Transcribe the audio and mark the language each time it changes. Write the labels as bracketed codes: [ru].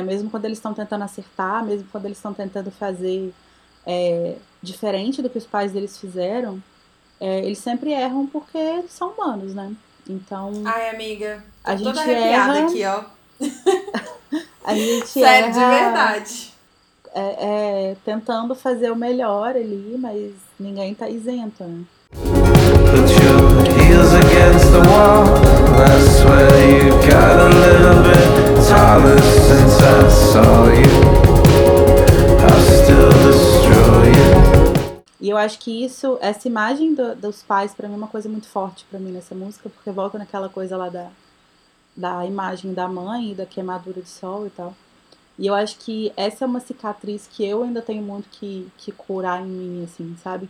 [pt] Mesmo quando eles estão tentando acertar, mesmo quando eles estão tentando fazer diferente do que os pais deles fizeram, eles sempre erram porque são humanos, né? Então, ai, amiga, tô a toda gente erra aqui, ó. A gente sério, erra de verdade. Tentando fazer o melhor ali, mas ninguém tá isento, né? [en] Put your heels against the wall. I swear you got a little bit taller since I saw you. I still destroy you. [pt] E eu acho que isso, essa imagem dos pais, pra mim é uma coisa muito forte pra mim nessa música, porque volta naquela coisa lá da imagem da mãe e da queimadura de sol e tal. E eu acho que essa é uma cicatriz que eu ainda tenho muito que curar em mim, assim, sabe?